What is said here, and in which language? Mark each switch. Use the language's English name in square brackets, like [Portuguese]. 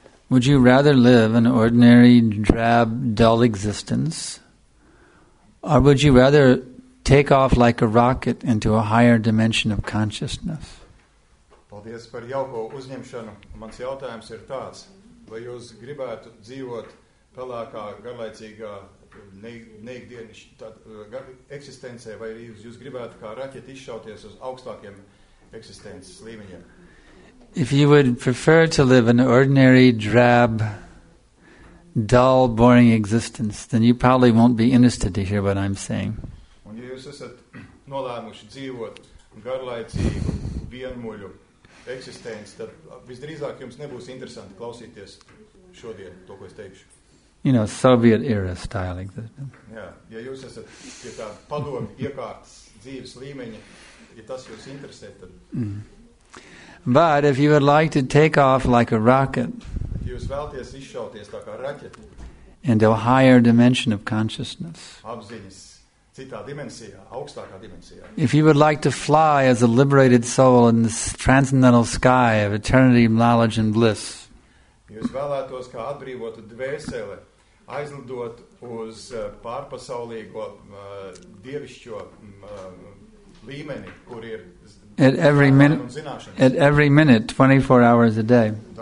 [English] Would you rather live an ordinary, drab, dull existence, or would you rather take off like a rocket into a higher dimension of consciousness? [Latvian] Paldies par jauko uzņemšanu. Mans jautājums ir tāds. Vai jūs gribētu dzīvot pelēkā, garlaicīgā, neikdienišķā eksistencē, vai jūs gribētu kā raķeti izšauties uz augstākiem eksistences līmeņiem? [English] If you would prefer to live an ordinary, drab, dull, boring existence, then you probably won't be interested to hear what I'm saying. [Latvian] Un ja jūs esat nolēmuši dzīvot garlaicīgu, vienmuļu, eksistence, tad visdrīzāk jums nebūs interesanti klausīties šodien to, ko es teikšu. [English] You know, Soviet era style existence. [Latvian] Jā, ja jūs esat pie tā padomju iekārtas dzīves līmeņa, ja tas jūs interesē, tad... [English] But if you would like to take off like a rocket [Latvian] jūs vēlties izšauties tā kā raķeti [English] into a higher dimension of consciousness [Latvian] apziņas citā dimensijā, augstākā dimensijā. [English] If you would like to fly as a liberated soul in this transcendental sky of eternity, knowledge and bliss. [Latvian] Jūs vēlētos kā atbrīvotu dvēsele aizlidot uz pārpasaulīgo dievišķo līmeni, kur ir [English] at every minute, 24 hours a day.